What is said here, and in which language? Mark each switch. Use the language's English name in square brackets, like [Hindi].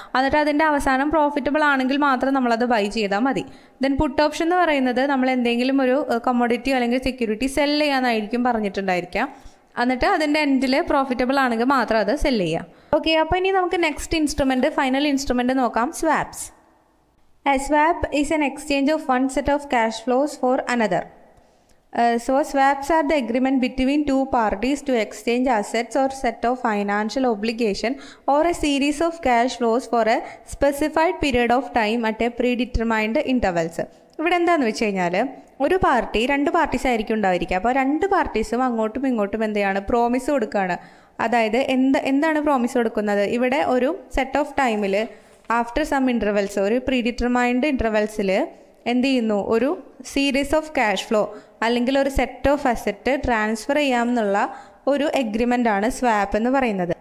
[Malayalam] എന്നിട്ട് അതിൻ്റെ അവസാനം പ്രോഫിറ്റബിൾ ആണെങ്കിൽ മാത്രം നമ്മളത് ബൈ ചെയ്താൽ മതി. ദെൻ പുട്ട് ഓപ്ഷൻ എന്ന് പറയുന്നത് നമ്മൾ എന്തെങ്കിലും ഒരു കമ്മോഡിറ്റി അല്ലെങ്കിൽ സെക്യൂരിറ്റി സെൽ ചെയ്യാനായിരിക്കും പറഞ്ഞിട്ടുണ്ടായിരിക്കാം. എന്നിട്ട് അതിൻ്റെ എൻഡിൽ പ്രോഫിറ്റബിൾ ആണെങ്കിൽ മാത്രം അത് സെൽ ചെയ്യുക. ഓക്കെ, അപ്പോൾ ഇനി നമുക്ക് നെക്സ്റ്റ് ഇൻസ്ട്രുമെൻ്റ് ഫൈനൽ ഇൻസ്ട്രുമെൻ്റ് നോക്കാം, swaps. [English] A swap is an exchange of one set of cash flows for another. So swaps are the agreement between two parties to exchange assets or set of financial obligation or a series of cash flows for a specified period of time at a predetermined intervals. [Malayalam] ഇവിടെ എന്താണെന്ന് വെച്ച് കഴിഞ്ഞാൽ ഒരു party, രണ്ട് parties ആയിരിക്കും ഉണ്ടാവുക. അപ്പോൾ രണ്ട് പാർട്ടീസും അങ്ങോട്ടും ഇങ്ങോട്ടും എന്തെയാണ് പ്രോമിസ് കൊടുക്കുകയാണ്. അതായത് എന്താണ് പ്രോമിസ് കൊടുക്കുന്നത്, ഇവിടെ ഒരു സെറ്റ് ഓഫ് ടൈമിൽ [English] after some intervals [Malayalam] ഒരു പ്രീ ഡിറ്റർമൈൻഡ് ഇൻ്റർവെൽസിൽ എന്ത് ചെയ്യുന്നു, ഒരു സീരീസ് ഓഫ് ക്യാഷ് ഫ്ലോ അല്ലെങ്കിൽ ഒരു സെറ്റ് ഓഫ് അസെറ്റ് ട്രാൻസ്ഫർ ചെയ്യാമെന്നുള്ള ഒരു എഗ്രിമെൻ്റ് ആണ് സ്വാപ്പ് എന്ന് പറയുന്നത്.